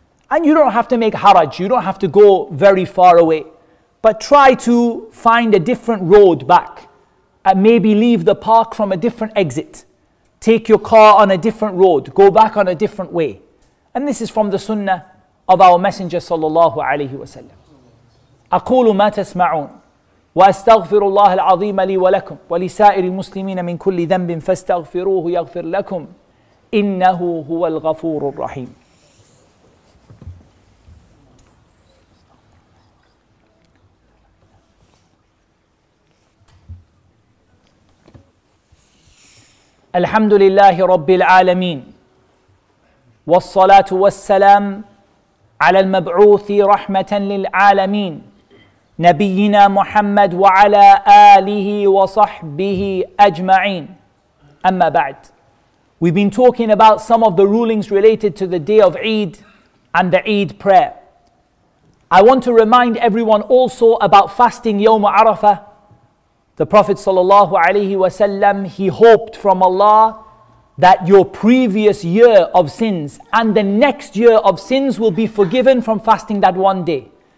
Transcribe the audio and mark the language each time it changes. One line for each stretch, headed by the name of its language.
English: And you don't have to make haraj, you don't have to go very far away. But try to find a different road back and maybe leave the park from a different exit. Take your car on a different road, go back on a different way. And this is from the sunnah of our Messenger sallallahu alayhi wa sallam.
Arabic: أقول ما تسمعون وأستغفر الله العظيم لي ولكم ولسائر المسلمين من كل ذنب فاستغفروه يغفر لكم إنه هو الغفور الرحيم. الحمد لله رب العالمين والصلاة والسلام على المبعوث رحمة للعالمين نبينا محمد وعلى آله وصحبه أجمعين. أما بعد,
English: we've been talking about some of the rulings related to the day of Eid and the Eid prayer. I want to remind everyone also about fasting يوم عرفة. The Prophet sallallahu alaihi wasallam, he hoped from Allah that your previous year of sins and the next year of sins will be forgiven from fasting that one day.